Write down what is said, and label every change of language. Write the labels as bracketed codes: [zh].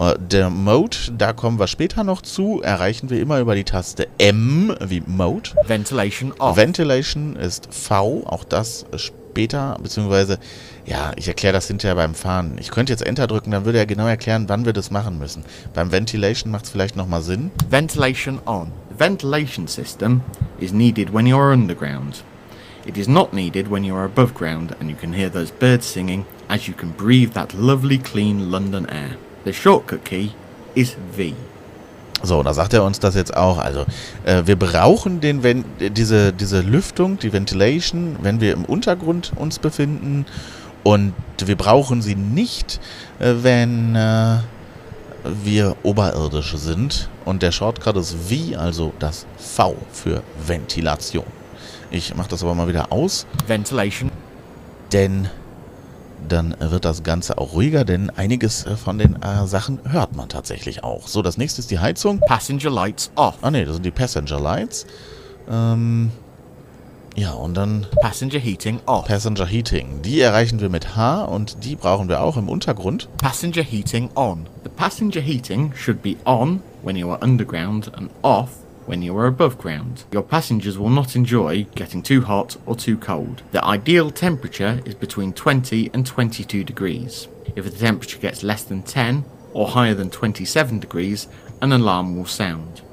[de] Der Mode, da kommen wir später noch zu, erreichen wir immer über die Taste M, wie Mode. [en] Ventilation off. [de] Ventilation ist V, auch das später, beziehungsweise, ja, ich erkläre das hinterher beim Fahren. Ich könnte jetzt Enter drücken, dann würde er genau erklären, wann wir das machen müssen. Beim Ventilation macht es vielleicht nochmal Sinn. [en] Ventilation on. Ventilation system is needed when you are underground. It is not needed when you are above ground and you can hear those birds singing as you can breathe that lovely clean London air. The shortcut key is V. [de] So, da sagt er uns das jetzt auch. Also, wir brauchen diese Lüftung, die Ventilation, wenn wir im Untergrund uns befinden. Und wir brauchen sie nicht, wenn wir oberirdisch sind. Und der Shortcut ist V, also das V für Ventilation. Ich mache das aber mal wieder aus. [en] Ventilation. [de] Denn dann wird das Ganze auch ruhiger, denn einiges von den Sachen hört man tatsächlich auch. So, das nächste ist die Heizung. [en] Passenger Lights off. [de] Ah ne, das sind die Passenger Lights. Ja, und dann... [en] Passenger Heating off. Passenger Heating. [de] Die erreichen wir mit H und die brauchen wir auch im Untergrund. [en] Passenger Heating on. The passenger heating should be on when you are underground and off when you are above ground. Your passengers will not enjoy getting too hot or too cold. The ideal temperature is between 20 and 22 degrees. If the temperature gets less than 10 or higher than 27 degrees, an alarm will sound.